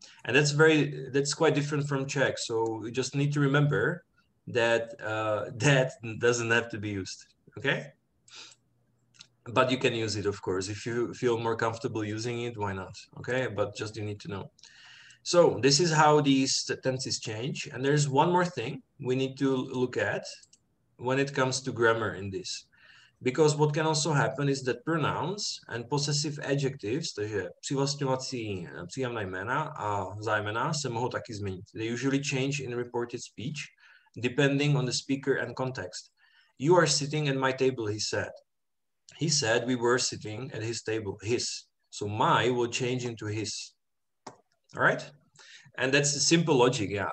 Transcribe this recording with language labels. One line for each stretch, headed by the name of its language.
English: And that's quite different from Czech. So you just need to remember that that doesn't have to be used. Okay? But you can use it, of course. If you feel more comfortable using it, why not? Okay? But just you need to know. So this is how these tenses change. And there's one more thing we need to look at when it comes to grammar in this. Because what can also happen is that pronouns and possessive adjectives,
Czech: takže přivlastňovací příjemná jména a zájmena, se mohou taky změnit.
English: They usually change in reported speech, depending on the speaker and context. You are sitting at my table, he said. He said we were sitting at his table, his. So my will change into his. All right? And that's a simple logic, yeah.